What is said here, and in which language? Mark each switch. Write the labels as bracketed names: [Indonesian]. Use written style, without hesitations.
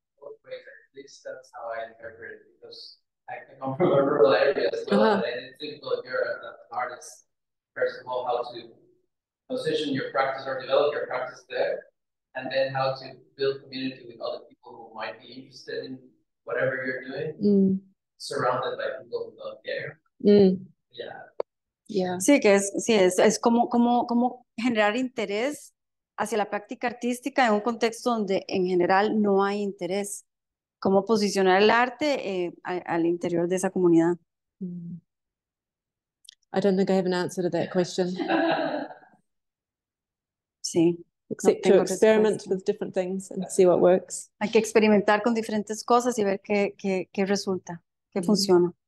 [English] Well, wait, at least that's how I interpret it, because I come from a rural area as well, and I didn't think that you're an artist. First of all, how to position your practice or develop your practice there, and then how to build community with other people who might be interested in whatever you're doing, surrounded by people who don't care. Yeah. [Spanish] Sí, que es como generar interés hacia la práctica artística en un contexto donde en general no hay interés. Cómo posicionar el arte al interior de esa comunidad. [English] I don't think I have an answer to that question. [Spanish] Sí. [English] Except to experiment with different things and see what works. [Spanish] Hay que experimentar con diferentes cosas y ver qué resulta, qué funciona.